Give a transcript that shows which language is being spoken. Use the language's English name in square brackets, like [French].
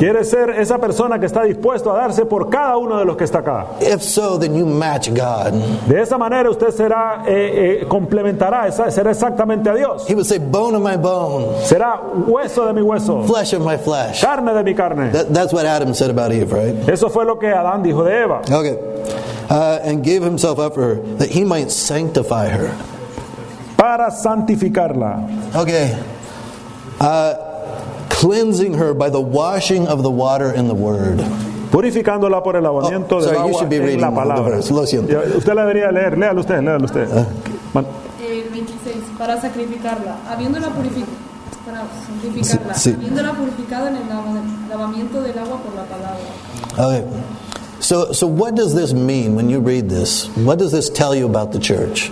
[Spanish] ¿Quiere ser esa persona que está dispuesto a darse por cada uno de los que está acá? [English] If so, then you match God. [Spanish] De esa manera usted será complementará, será exactamente a Dios. [English] He would say, bone of my bone. [Spanish] Será hueso de mi hueso. [English] Flesh of my flesh. [Spanish] Carne de mi carne. [English] That's what Adam said about Eve, right? [Spanish] Eso fue lo que Adán dijo de Eva. [English] Okay. And gave himself up for her that he might sanctify her. [Spanish] Para santificarla. [English] Okay. Cleansing her by the washing of the water in the word. [Spanish] Purificándola por el lavamiento de agua [English] Sorry, you should be reading the verse. [Spanish] Lo siento. Usted la debería leer. Léalo usted, léalo usted. El 26. Para sacrificarla. Habiéndola purificada. Para santificarla. Sí. Habiéndola purificada en el lavamiento del agua por la palabra. [English] Okay. So what does this mean when you read this? What does this tell you about the church?